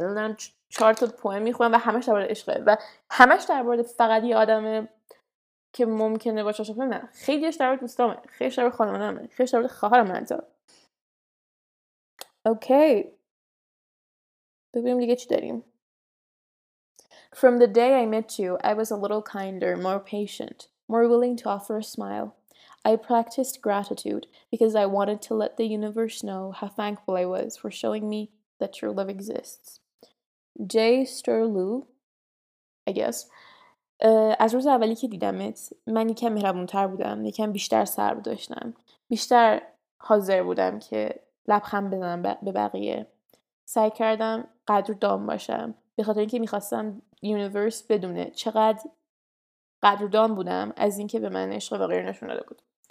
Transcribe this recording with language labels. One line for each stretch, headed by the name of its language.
Persian: دارم 4 تا پوئم میخونم و همش درباره عشقه و همش درباره فقط یه آدمه که ممکنه با چشم نه خیلیش درباره دوستامه خیلیش درباره خانوادهمه خیلیش درباره خواهرم حتا. اوکی ببینیم دیگه چی داریم.
English: From the day I met you I was a little kinder, more patient, more willing to offer a smile. I practiced gratitude because I wanted to let the universe know how thankful I was for showing me that your love exists. J. Sterlew, I guess.
Persian: از روز اولی که دیدمت من یکم مهربون‌تر بودم، یکم بیشتر صبر داشتم، بیشتر حاضر بودم که لبخند بزنم به بقیه. سعی کردم قدردان باشم به خاطر اینکه می‌خواستم یونیورس بدونه چقدر قدردان بودم از اینکه به من عشق واقعی نشون داده بود.